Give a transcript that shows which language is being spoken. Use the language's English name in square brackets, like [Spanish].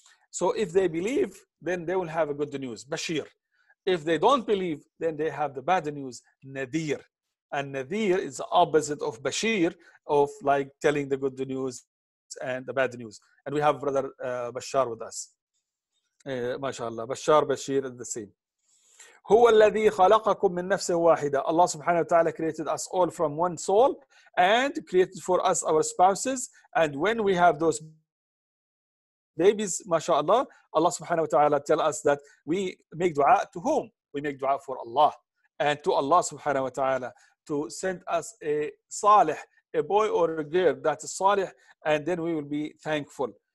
[English] So if they believe, then they will have a good news, bashir. If they don't believe, then they have the bad news, nadir. And nadir is the opposite of bashir, of like telling the good news and the bad news. And we have brother Bashar with us. MashaAllah, Bashar, Bashir is the same. [Arabic] هو الذي خلقكم من نفس واحدة. [English] Allah subhanahu wa ta'ala created us all from one soul and created for us our spouses. And when we have those babies, mashallah, Allah subhanahu wa ta'ala tell us that we make dua to whom? We make dua for Allah and to Allah subhanahu wa ta'ala to send us a salih, a boy or a girl that is salih, and then we will be thankful.